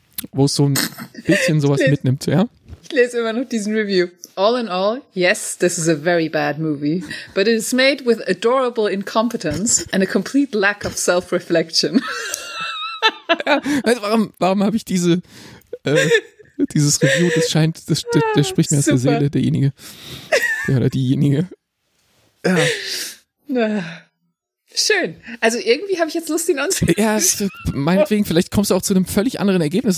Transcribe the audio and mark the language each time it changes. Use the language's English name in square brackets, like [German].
[German] Wo es so ein bisschen sowas mitnimmt, ja? Ich lese immer noch diesen Review. [English] All in all, yes, this is a very bad movie, but it is made with adorable incompetence and a complete lack of self-reflection. [German] Ja, also warum habe ich dieses Review? Das scheint, das spricht mir aus der Seele, derjenige. Oder diejenige. Ja. Na. Schön. Also irgendwie habe ich jetzt Lust, ihn anzusehen. Ja, meinetwegen, vielleicht kommst du auch zu einem völlig anderen Ergebnis.